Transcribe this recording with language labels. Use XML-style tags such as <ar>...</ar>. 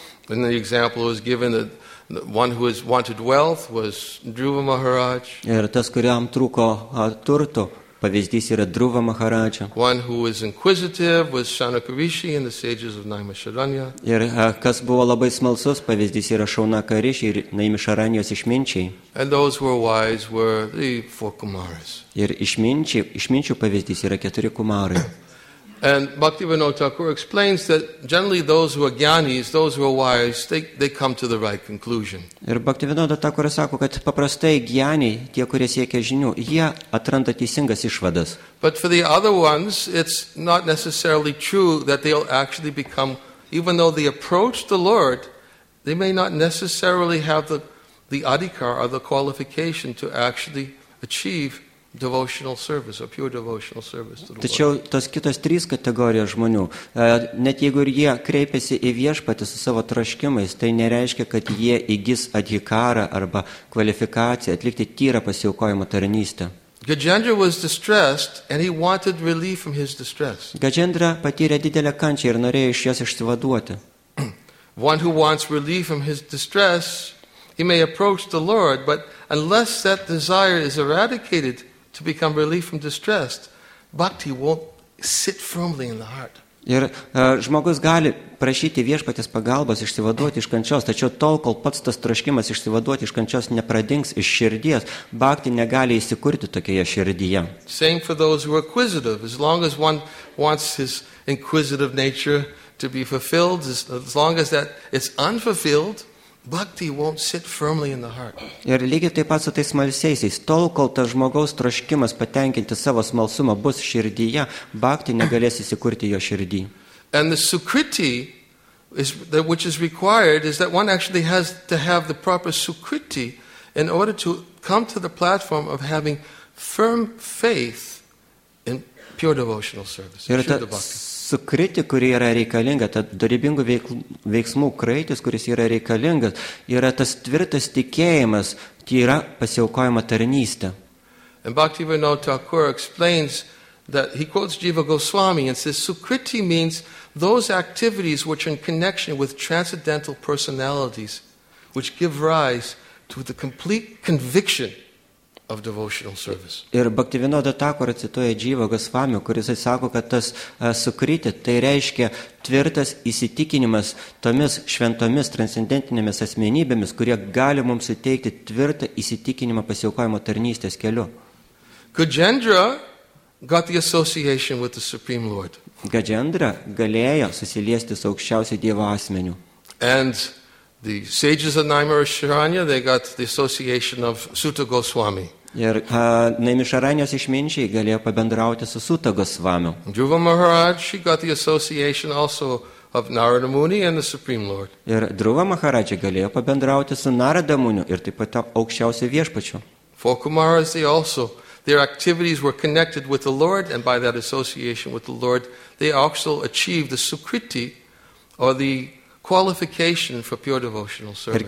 <en>And the example was given that one who has wanted wealth was Dhruva Maharaj.</en> <lt>Ir tas, kuriam trūko turto, pavyzdys yra Dhruva Maharaja.</lt> <en>One who was inquisitive was Shaunaka Rishi in the sages of Naimisharanya.</en> <lt>Ir kas buvo labai smalsus, pavyzdys yra Shaunaka Rishi ir Naimisharanyos išminčiai.</lt> <en>And those who were wise were the four kumaras.</en> <lt>Ir išminčių pavyzdys yra keturi kumarai.</lt> <en>And Bhaktivinoda Thakur explains that generally those who are gyanis, those who are wise, they come to the right conclusion.</en> <lt>Ir Bhaktivinoda Thakur sako, kad paprastai gyaniai, tie, kurie siekia žinių, jie atranda teisingas išvadas.</lt> <en>But for the other ones, it's not necessarily true that they'll actually become, even though they approach the Lord, they may not necessarily have the adhikar or the qualification to actually achieve devotional service, a pure devotional service to the Lord.</en> <lt>Tačiau tos kitos trys kategorijos žmonių, net jeigu ir jie kreipiasi į viešpatį su savo troškimais, tai nereiškia, kad jie įgis adhikarą arba kvalifikaciją atlikti tyrą pasiaukojimo tarnystę.</lt> <en>Gajendra was distressed and he wanted relief from his distress.</en> <lt>Gajendra patyrė didelę kančią ir norėjo iš jos išsivaduoti.</lt> <en>One who wants relief from his distress, he may approach the Lord, but unless that desire is eradicated to become relief from distress, bhakti won't sit firmly in the heart.</en> <lt>Ir žmogus gali prašyti viešpatės pagalbos išsivaduoti iš kančios, tačiau tol, kol pats tas troškimas išsivaduoti iš kančios nepradings iš širdies, bhakti negali įsikurti tokioje širdyje.</lt> <en>Same for those who are inquisitive. As long as one wants his inquisitive nature to be fulfilled, as long as that is unfulfilled, Bhakti won't sit firmly in the heart.</en> <lt>Ir lygiai taip pat su tais smalsiaisiais, tol, kol tas žmogaus troškimas patenkinti savo smalsumą bus širdyje, bhakti negalės įsikurti jo širdy.</lt> <en>And the sukriti, which is required, is that one actually has to have the proper sukriti in order to come to the platform of having firm faith in pure devotional service.</en> <lt>Ir ta sukriti, kuri yra reikalinga, ta dorybingų veiksmų kraitis, kuris yra reikalingas, yra tas tvirtas tikėjimas, tai yra pasiaukojama tarnystė.</lt> <en>And Bhaktivinoda Thakur explains that he quotes Jiva Goswami and says, sukriti means those activities which are in connection with transcendental personalities, which give rise to the complete conviction of devotional service.</en> <lt>Ir Bhaktivinoda Thakur cituoja Jiva Goswami, kuris sako, kad tas sukriti, tai reiškia tvirtas įsitikinimas tomis šventomis transcendentinėmis asmenybėmis, kurie gali mums suteikti tvirtą įsitikinimą pasiaukojimo tarnystės keliu.</lt> <en>Gajendra got the association with the Supreme Lord.</en> <lt>Gajendra galėjo susiliesti su aukščiausiu Dievo asmeniu.</lt> <en>And the sages of Naimisharanya, they got the association of Suta Goswami.</en> <lt>Ir Naimisharanyos išminčiai galėjo pabendrauti su Suta Goswami.</lt> <en>Dhruva Maharaj, she got the association also of Narada Muni and the Supreme Lord.</en> <lt>Ir Dhruva Maharaj galėjo pabendrauti su Narada Muniu ir taip pat aukščiausiu viešpačiu.</lt> <en>Four Kumaras, they also, their activities were connected with the Lord, and by that association with the Lord, they also achieved the sukriti, or the qualification for pure devotional service.</en>